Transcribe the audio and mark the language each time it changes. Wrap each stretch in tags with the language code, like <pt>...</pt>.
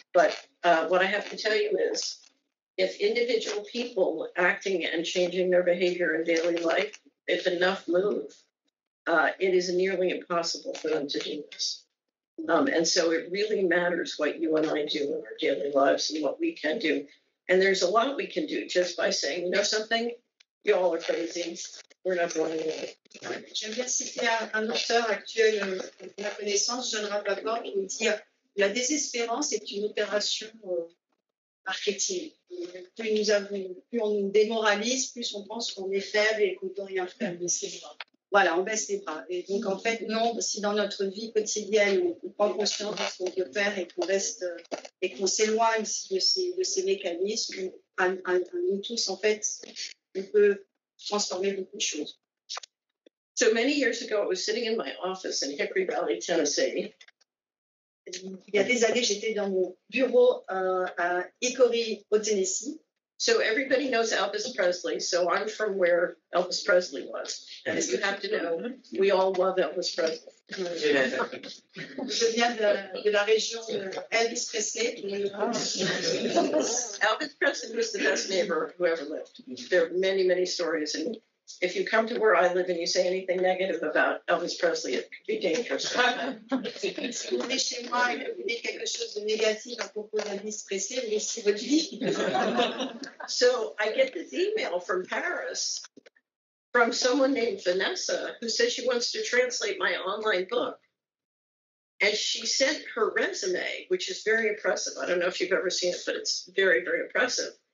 <en>But what I have to tell you is, if individual people acting and changing their behavior in daily life, if enough move, it is nearly impossible for them to do this. And so it really matters what you and I do in our daily lives and what we can do. And there's a lot we can do just by saying, you know something? You all are crazy. We're not going anywhere.</en> <fr>J'aime bien citer un auteur actuel de la connaissance, John Rappaport, qui dit la désespérance est une opération marketing. Plus nous avons, plus on nous démoralise, plus on pense qu'on est faible et qu'on ne peut rien faire. Mais c'est vrai. Voilà, on baisse les bras. Et donc, en fait, non, si dans notre vie quotidienne, on prend conscience de ce qu'on peut faire et qu'on reste, et qu'on s'éloigne de ces mécanismes, nous tous, en fait, on peut transformer beaucoup de choses.</fr> <en>So many years ago, I was sitting in my office in Hickory Valley, Tennessee.</en> <fr>Il y a des années, j'étais dans mon bureau à Hickory, au Tennessee.</fr> <en>So everybody knows Elvis Presley, so I'm from where Elvis Presley was. As you have to know, we all love Elvis Presley.</en> <fr>Je viens de la région Elvis Presley.</fr> <en>Elvis Presley was the best neighbor who ever lived. There are many, many stories. And if you come to where I live and you say anything negative about Elvis Presley, it could be dangerous.</en> <fr>Si vous venez chez moi et vous dites quelque chose de négatif à propos d'Elvis Presley, laissez votre vie.</fr> <en>So I get this email from Paris from someone named Vanessa who says she wants to translate my online book. And she sent her resume, which is very impressive. I don't know if you've ever seen it, but it's very, very impressive.</en>